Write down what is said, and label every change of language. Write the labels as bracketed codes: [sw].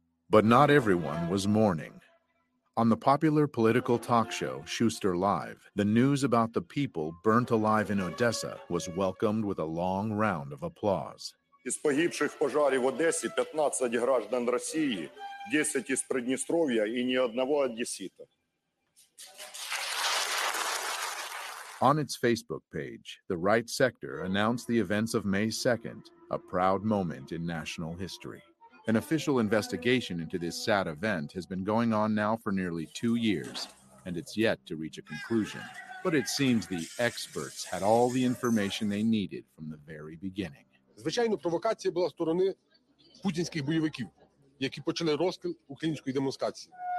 [en] But not everyone was mourning. On the popular political talk show, Schuster Live, the news about the people burnt alive in Odessa was welcomed with a long round of applause. [uk] Із погибших пожарів в Одесі 15 граждан Росії, 10 із Придністров'я і ні одного одесита. [en] On its Facebook page, the Right Sector announced the events of May 2nd, a proud moment in national history. An official investigation into this sad event has been going on now for nearly 2 years, and it's yet to reach a conclusion. But it seems the experts had all the information they needed from the very beginning. [uk] Звичайно, провокація була сторони путінських бойовиків, які почали розкрил української демонстрації.